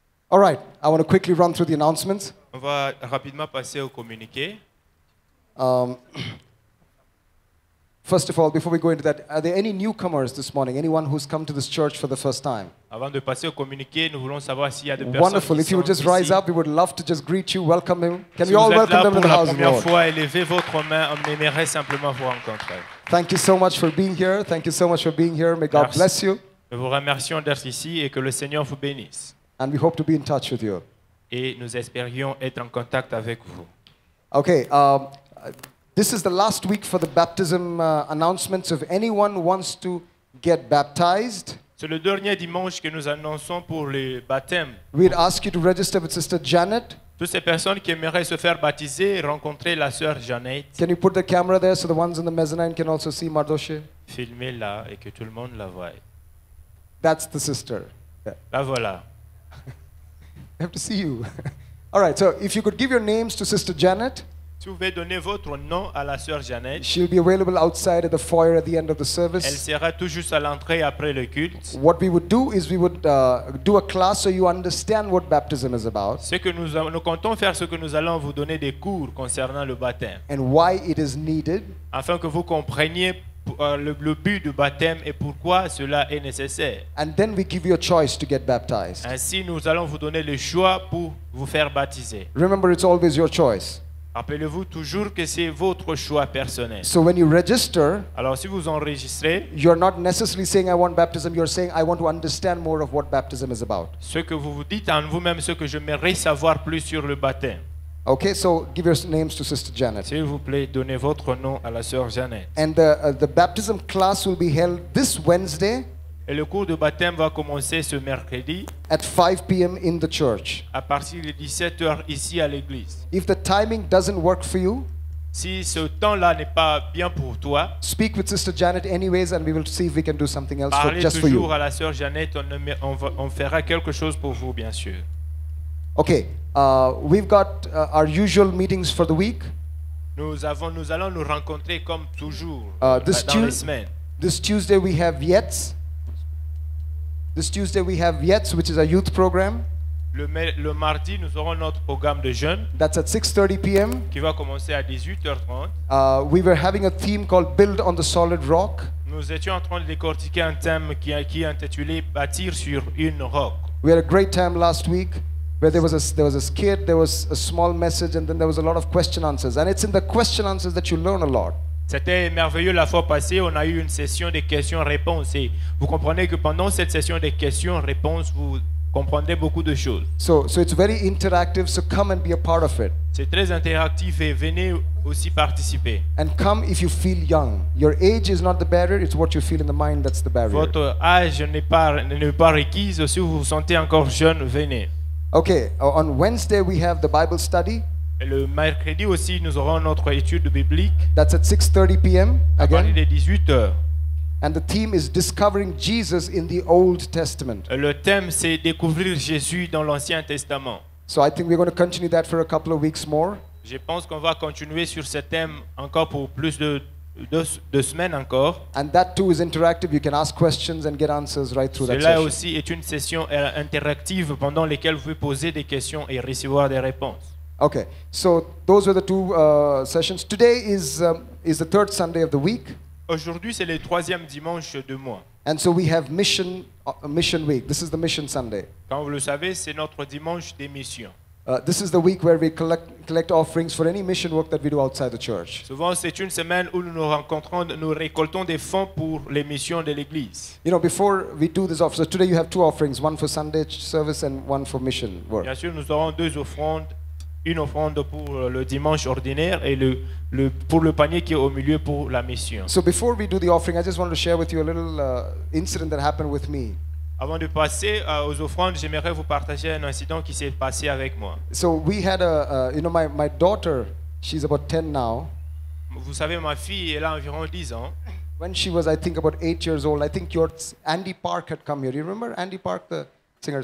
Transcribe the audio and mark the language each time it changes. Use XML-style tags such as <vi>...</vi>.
<en>All right, I want to quickly run through the announcements.</en> <fr>On va rapidement passer au communiqué.</fr> <en>First of all, before we go into that, are there any newcomers this morning? Anyone who's come to this church for the first time?</en> <fr>Avant de passer au communiqué, nous voulons savoir s'il y a des personnes.</fr> <en>Wonderful. If you would just rise up, we would love to just greet you, welcome him. Can</en> <fr>si</fr> <en>we all welcome them in the house, Lord?</en> <fr>Si vous êtes là pour la première fois, élevez votre main. On aimerait simplement vous rencontrer.</fr> <en>Thank you so much for being here. Thank you so much for being here. May God</en> <fr>Merci.</fr> <en>Bless you.</en> <fr>Nous vous remercions d'être ici et que le Seigneur vous bénisse.</fr> <en>And we hope to be in touch with you.</en> <fr>Et nous espérions être en contact avec vous.</fr> <en>Okay. This is the last week for the baptism announcements. If anyone wants to get baptized,</en> <fr>c'est le dernier dimanche que nous annonçons pour les baptêmes.</fr> <en>We'd ask you to register with Sister Janet.</en> <fr>Toutes ces personnes qui aimeraient se faire baptiser, rencontrer la sœur Janet.</fr> <en>Can you put the camera there so the ones in the mezzanine can also see Mardoché?</en> <fr>Filmez là et que tout le monde la voie.</fr> <en>That's the sister.</en> <fr>La voilà.</fr> <en>I have to see you. All right. So if you could give your names to Sister Janet.</en> <fr>Si vous pouvez donner votre nom à la sœur Janet.</fr> <en>She'll be available outside at the foyer at the end of the service.</en> <fr>Elle sera tout juste à l'entrée après le culte.</fr> <en>What we would do is we would do a class so you understand what baptism is about.</en> <fr>Ce que nous comptons faire, ce que nous allons vous donner des cours concernant le baptême.</fr> <en>And why it is needed.</en> <fr>Afin que vous compreniez le but du baptême et pourquoi cela est nécessaire.</fr> <en>And then we give you a choice to get baptized.</en> <fr>Ainsi, nous allons vous donner le choix pour vous faire baptiser.</fr> <en>Remember, it's always your choice.</en> <fr>Rappelez-vous toujours que c'est votre choix personnel.</fr> <en>So when you register,</en> <fr>alors si vous enregistrez,</fr> <en>you're not necessarily saying I want baptism, you're saying I want to understand more of what baptism is about.</en> <fr>Ce que vous vous dites en vous-même, ce que j'aimerais savoir plus sur le baptême.</fr> <en>Okay, so give your names to Sister Janet.</en> <fr>S'il vous plaît, donnez votre nom à la sœur Janet.</fr> <en>And the baptism class will be held this Wednesday.</en> <fr>Et le cours de baptême va commencer ce mercredi</fr> <en>at 5 p.m. in the church.</en> <fr>À partir de 17h ici à l'église.</fr> <en>If the timing doesn't work for you,</en> <fr>si ce temps-là n'est pas bien pour toi,</fr> <en>speak with Sister Janet anyways and we will see if we can do something else for, just for you.</en> <fr>Parlez toujours à la sœur Janet, on fera quelque chose pour vous bien sûr.</fr> <en>Okay, we've got our usual meetings for the week.</en> <fr>Nous allons nous rencontrer comme toujours dans la semaine.</fr> <en>This Tuesday we have Yetz. This Tuesday we have Yetz, which is a youth program.</en> <fr>Le mardi nous aurons notre programme de jeunes.</fr> <en>That's at 6:30 p.m.</en> <fr>qui va commencer à 18h30.</fr> <en>We were having a theme called Build on the Solid Rock.</en> <fr>Nous étions en train de décortiquer un thème qui est intitulé Bâtir sur une roc.</fr> <en>We had a great time last week where there was a skit, there was a small message, and then there was a lot of question answers. And it's in the question answers that you learn a lot.</en> <fr>C'était merveilleux la fois passée, on a eu une session de questions-réponses et vous comprenez que pendant cette session de questions-réponses, vous comprenez beaucoup de choses.</fr> <en>So it's very interactive, so come and be a part of it.</en> <fr>C'est très interactif et venez aussi participer.</fr> <en>And come if you feel young. Your age is not the barrier, it's what you feel in the mind that's the barrier.</en> <fr>Votre âge n'est pas requis, si vous vous sentez encore jeune, venez.</fr> <en>Okay, on Wednesday we have the Bible study.</en> <fr>Le mercredi aussi, nous aurons notre étude biblique.</fr> <en>That's at 6:30 p.m. again.</en> <fr>À partir de 18h.</fr> <en>And the theme is discovering Jesus in the Old Testament.</en> <fr>Le thème c'est découvrir Jésus dans l'Ancien Testament.</fr> <en>So I think we're going to continue that for a couple of weeks more.</en> <fr>Je pense qu'on va continuer sur ce thème encore pour plus de deux semaines encore.</fr> <en>And that too is interactive. You can ask questions and get answers right through</en> <fr>cela</fr> <en>that session.</en> <fr>Cela aussi est une session interactive pendant laquelle vous pouvez poser des questions et recevoir des réponses.</fr> <en>Okay, so those were the two sessions. Today is the third Sunday of the week.</en> <fr>Aujourd'hui c'est le troisième dimanche du mois.</fr> <en>And so we have mission week. This is the mission Sunday.</en> <fr>Comme vous le savez, c'est notre dimanche des missions.</fr> <en>This is the week where we collect offerings for any mission work that we do outside the church.</en> <fr>Souvent c'est une semaine où nous récoltons des fonds pour les missions de l'église.</fr> <en>You know, before we do this offering, so today you have two offerings, one for Sunday service and one for mission work.</en> <fr>Bien sûr, nous aurons deux offrandes. Une offrande pour le dimanche ordinaire et le pour le panier qui est au milieu pour la mission.</fr> <en>So before we do the offering, I just want to share with you a little incident that happened with me.</en> <fr>Avant de passer aux offrandes, j'aimerais vous partager un incident qui s'est passé avec moi.</fr> <en>So we had my daughter, she's about 10 now.</en> <fr>Vous savez, ma fille, elle a environ 10 ans.</fr> <en>When she was, I think, about 8 years old, I think your Andy Park had come here. You remember Andy Park, the singer?</en>